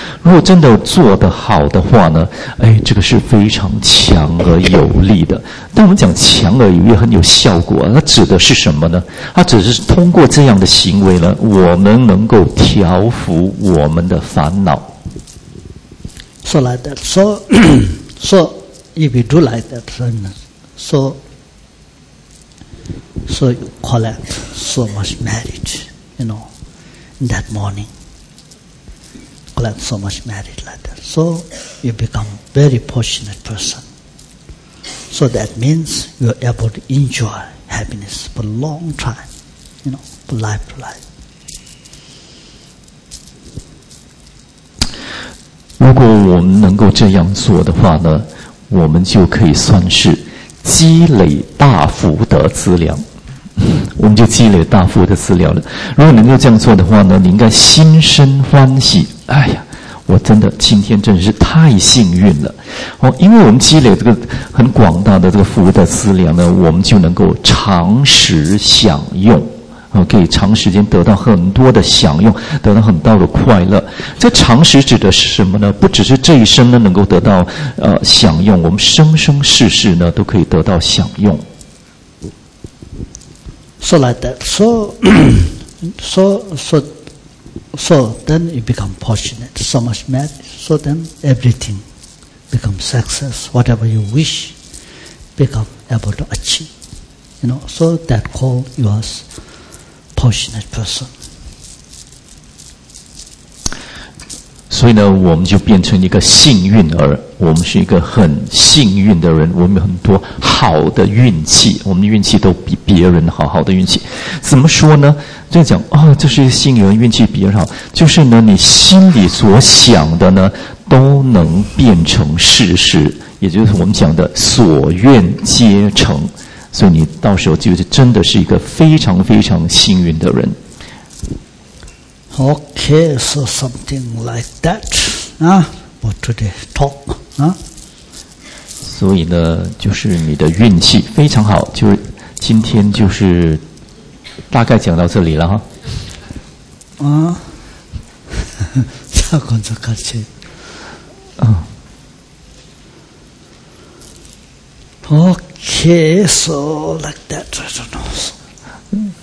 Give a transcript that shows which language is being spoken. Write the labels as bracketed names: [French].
[Chinese] 如果真的做得好的话呢，哎，这个是非常强而有力的。但我们讲强而有力很有效果，它指的是什么呢？它只是通过这样的行为呢，我们能够调伏我们的烦恼。 [English] So like that. So, so if you do like that, so you collect so much merit, you know, in that morning. Collect so much merit like that. So you become very fortunate person. So that means you're able to enjoy happiness for a long time, you know, for life to life. [Chinese] 如果我们能够这样做的话呢，我们就可以算是积累大福德资粮。我们就积累大福德资粮了。如果能够这样做的话呢，你应该心生欢喜。哎呀，我真的今天真的是太幸运了。因为我们积累这个很广大的这个福德资粮呢，我们就能够长时享用。可以长时间得到很多的享用，得到很大的快乐。这长时指的是什么呢？不只是这一生呢能够得到享用，我们生生世世呢都可以得到享用。 [English] So like that. So, so, so, so then you become fortunate. So much merit. So then everything becomes success. Whatever you wish, become able to achieve. You know. So that call yours. Fortunate person. [Chinese] 所以呢，我们就变成一个幸运儿。我们是一个很幸运的人。我们有很多好的运气，我们的运气都比别人好。好的运气，怎么说呢？就讲啊、哦，这是一个幸运儿，运气比别人好。就是呢，你心里所想的呢，都能变成事实，也就是我们讲的所愿皆成。所以你到时候就是真的是一个非常非常幸运的人。 [English] Okay, so something like that, for today talk, [Chinese] 所以呢，就是你的运气非常好，就是今天就是大概讲到这里了哈。啊，자건저같이 [English] Okay, so like that, I don't know.